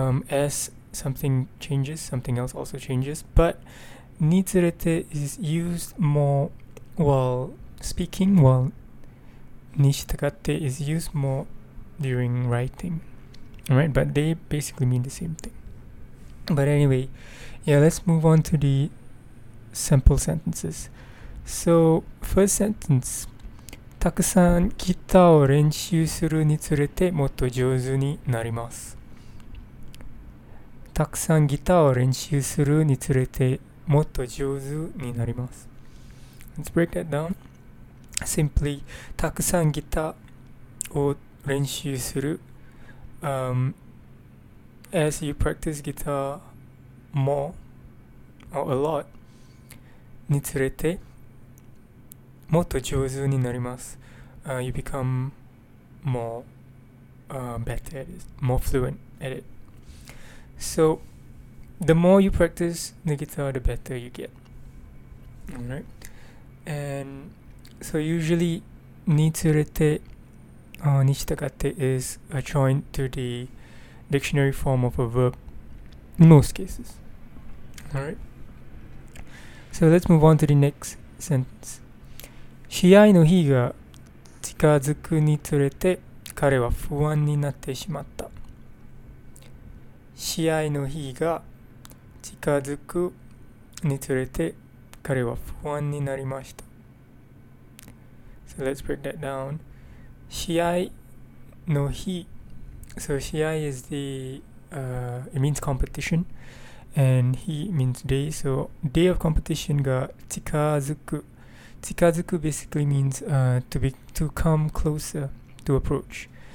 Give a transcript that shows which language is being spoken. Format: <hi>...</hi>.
<en>As something changes, something else also changes, but ni tsurete is used more while speaking, while ni shitagatte is used more during writing. Alright, but they basically mean the same thing. But anyway, yeah, let's move on to the sample sentences. So, first sentence.</en> <ja>たくさんギターを練習するにつれてもっと上手になります。たくさんギターを練習するにつれてもっと上手になります。</ja> <en>Let's break that down. Simply,</en> <ja>たくさんギターを練習する。</ja> <en>As you practice guitar more or a lot</en> <ja>につれてもっと上手になります。</ja> <en>You become more better at it, more fluent at it. So, the more you practice the guitar, the better you get. Alright? And so usually, ni tsurete or ni shitagatte is a joined to the dictionary form of a verb, in most cases. Alright? So let's move on to the next sentence.</en> <ja>試合の日が近づくにつれて彼は不安になってしまった。試合の日が近づくにつれて彼は不安になりました。</ja> <en>So let's break that down.</en> <ja>試合の日</ja> <en>So 試合 is the it means competition, and 日 means day. So day of competition</en> <ja>が近づく</ja> <en>Tsikazuku basically means to come closer, to approach.</en>